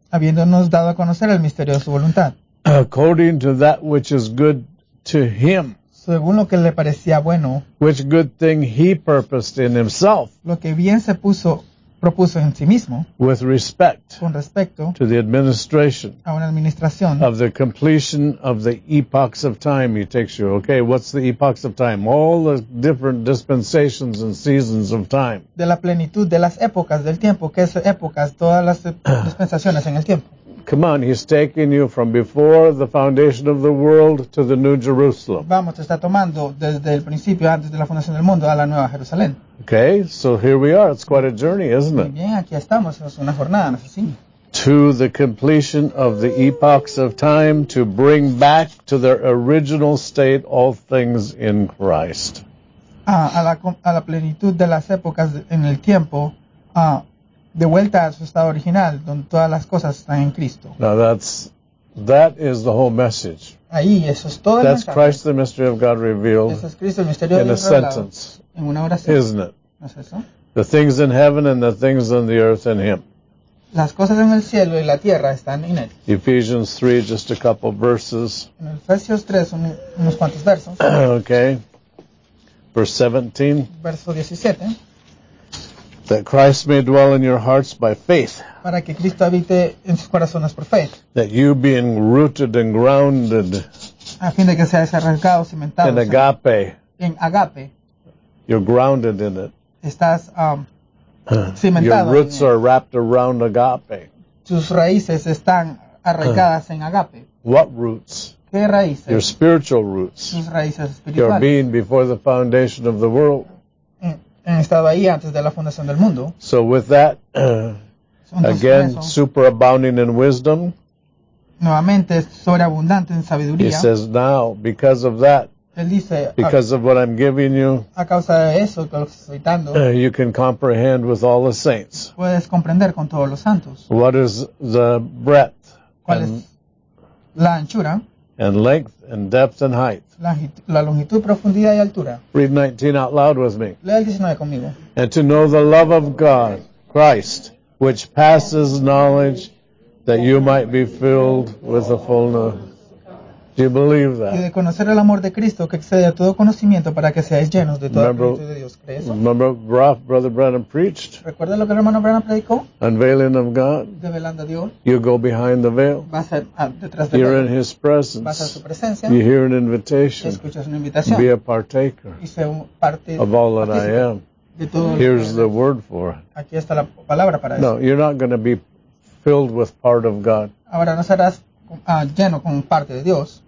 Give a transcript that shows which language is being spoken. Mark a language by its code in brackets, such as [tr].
[es] Habiéndonos dado a conocer el misterio de su voluntad. [en] According to that which is good to him. [es] Según lo que le parecía bueno. [en] Which good thing he purposed in himself. [es] Lo que bien se puso, propuso en sí mismo. [en] With respect. [es] Con respecto. [en] To the administration. [es] A una administración. [en] Of the completion of the epochs of time. He takes you. Okay, what's the epochs of time? All the different dispensations and seasons of time. [es] De la plenitud de las épocas del tiempo. ¿Qué es épocas? Todas las dispensaciones en el tiempo. [en] Come on, he's taking you from before the foundation of the world to the New Jerusalem. [es] Vamos, te está tomando desde el principio, antes de la fundación del mundo, a la Nueva Jerusalén. [en] Okay, so here we are. It's quite a journey, isn't it? [es] Muy bien, aquí estamos. Es una jornada, no sé si. [en] To the completion of the epochs of time to bring back to their original state all things in Christ. [es] Ah, a la plenitud de las épocas en el tiempo, de vuelta a su estado original, donde todas las cosas están en Cristo. [en] Now that is the whole message. [es] Ahí, eso es todo. [en] That's Christ, the mystery of God revealed. [es] Eso es Cristo, el misterio de Dios revelado. [en] In a sentence. [es] En una oración. [en] Isn't it? [es] ¿No es eso? [en] The things in heaven and the things on the earth in him. [es] Las cosas en el cielo y la tierra están en él. [en] Ephesians 3, just a couple verses. [es] En Efesios 3, unos cuantos versos. [en] Okay. Verse 17. [es] Verso 17. [en] That Christ may dwell in your hearts by faith. [es] Para que Cristo habite en sus corazones por fe. [en] That you being rooted and grounded. [es] A fin de que seas arraigado, cimentado. [en] In agape. [es] En agape. [en] You're grounded in it. [es] Estás cimentado. [en] Your roots are wrapped around agape. [es] Tus raíces están arraigadas en agape. [en] What roots? [es] ¿Qué raíces? [en] Your spiritual roots. [es] Tus raíces espirituales. [en] Your being before the foundation of the world. [es] Estaba ahí antes de la fundación del mundo. [en] So with that, again, superabounding in wisdom. [es] Nuevamente, sobreabundante en sabiduría. [en] He says now, because of that, [es] Él dice, [en] because of what I'm giving you, [es] a causa de eso que lo estoy dando, [en] you can comprehend with all the saints. [es] Puedes comprender con todos los santos. [en] What is the breadth? [es] ¿Cuál es la anchura? [en] And length and depth and height. [es] La longitud, profundidad y altura. [en] Read 19 out loud with me. [es] Lea el 19 conmigo. [en] And to know the love of God, Christ, which passes knowledge, that you might be filled with the fullness. Do you believe that? [es] Y de conocer el amor de Cristo que excede a todo conocimiento para que seáis llenos de toda la plenitud de Dios. [en] Remember Brother Branham preached? [es] ¿Recuerda lo que el hermano Branham predicó? [en] Unveiling of God. [es] Develando a Dios. [en] You go behind the veil. [es] Vas a, detrás [en] you're [es] de [en] in his presence. [es] Vas a su presencia. [en] You hear an invitation. [es] Escuchas una invitación. [en] Be a partaker. [es] Y sé parte [en] of all that I am. [es] De todo. [en] Here's the word for it. [es] Aquí está la palabra para no, eso. [en] No, you're not going to be filled with part of God. [es] Ahora no serás lleno con parte de Dios.